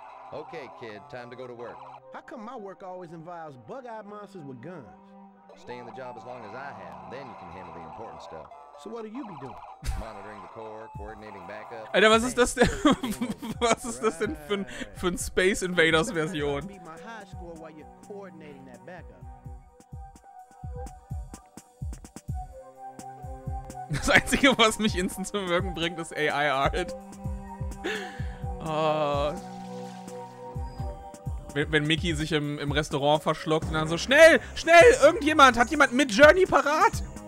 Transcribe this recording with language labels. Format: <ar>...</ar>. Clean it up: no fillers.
<en>Okay, kid, time to go to work. How come my work always involves bug-eyed monsters with guns? Stay in the job as long as I have, then you can handle the important stuff. So what do you be doing? Monitoring the core, coordinating backup.</en> <de>Alter, was ist das denn? Was ist das denn für ein Space Invaders Version?</de> <en>Beat my high score while you're coordinating that backup.</en> <de>Das Einzige, was mich instant zum Wirken bringt, ist AI Art. Oh. Wenn Mickey sich im Restaurant verschluckt und dann so, schnell, schnell, irgendjemand, hat jemand mit Journey parat?</de>